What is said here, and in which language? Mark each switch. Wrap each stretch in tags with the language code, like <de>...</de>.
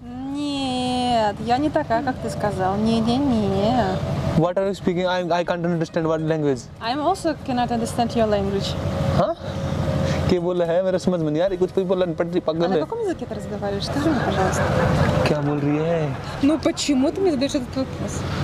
<ru>нет я не такая как ты сказал не</ru> <en>what are you speaking I can't understand what language I'm also cannot understand your language</en> <hi>हाँ क्या बोल रहा है मेरा समझ में नहीं आ रही कुछ भी बोल रहा है पढ़ रही पागल है अरे कौन से कितने</hi> <ru>разговариваешь скажи мне пожалуйста</ru> <hi>क्या बोल रही है</hi> <ru>ну почему ты мне задаешь этот вопрос</ru>